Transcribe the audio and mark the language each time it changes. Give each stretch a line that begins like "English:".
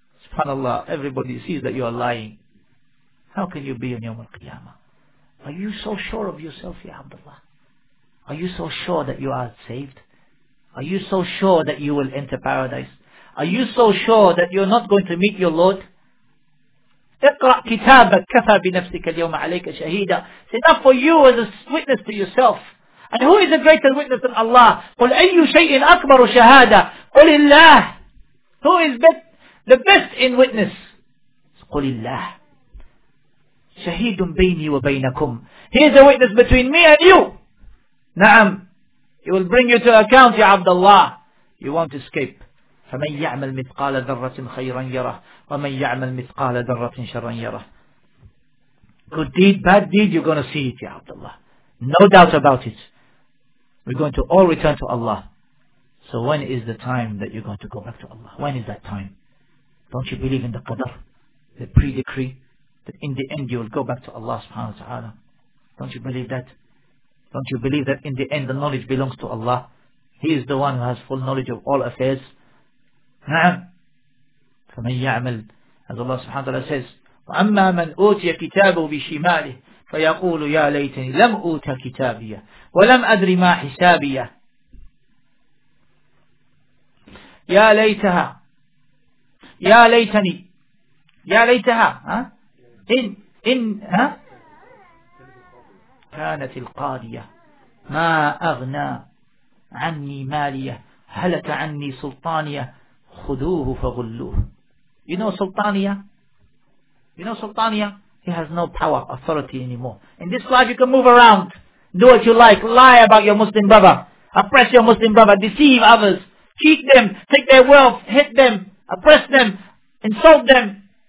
English: SubhanAllah, everybody sees that you are lying. How can you be in Yawm al-Qiyamah? Are you so sure of yourself, Ya Abdullah? Are you so sure that you are saved? Are you so sure that you will enter paradise? Are you so sure that you're not going to meet your Lord?
Arabic: اقرأ كتابك كفى بنفسك اليوم عليك شهيدا.
English: It's enough for you as a witness to yourself. And who is a greater witness than Allah?
Arabic: قل أي شيء أكبر شهادة. قل الله.
English: Who is the best in witness?
Arabic: قل الله. شهيد بيني وبينكم.
English: He is a witness between me and you. نعم, he will bring you to account, Ya Abdullah. You won't escape.
Arabic: فَمَنْ يَعْمَلْ مِثْقَالَ ذَرَّةٍ خَيْرًا يَرَهُ وَمَنْ يَعْمَلْ مِثْقَالَ ذَرَّةٍ شَرًّا يَرَهُ.
English: Good deed, bad deed, you're going to see it, Ya Abdullah. No doubt about it. We're going to all return to Allah. So when is the time that you're going to go back to Allah? When is that time? Don't you believe in the Qadr, the pre-decree, that in the end you will go back to Allah subhanahu wa ta'ala? Don't you believe that? Don't you believe that in the end the knowledge belongs to Allah? He is the one who has full knowledge of all affairs.
Arabic: نعم. فمن يعمل,
English: as Allah subhanahu wa ta'ala says,
Arabic: وأما من أوتي كتابه بشماله فيقول يا ليتني لم أوت كتابيه ولم أدري ما حسابيه. يا ليتها, يا ليتني, يا ليتها, إن كانت القاضية ما أغنى عني مالية هلك عني سلطانية خذوه فغلوه.
English: You know سلطانية, you know سلطانية, he has no power, authority anymore. In this life you can move around, do what you like, lie about your Muslim brother, oppress your Muslim brother, deceive others, cheat them, take their wealth, hit them, oppress them, insult them.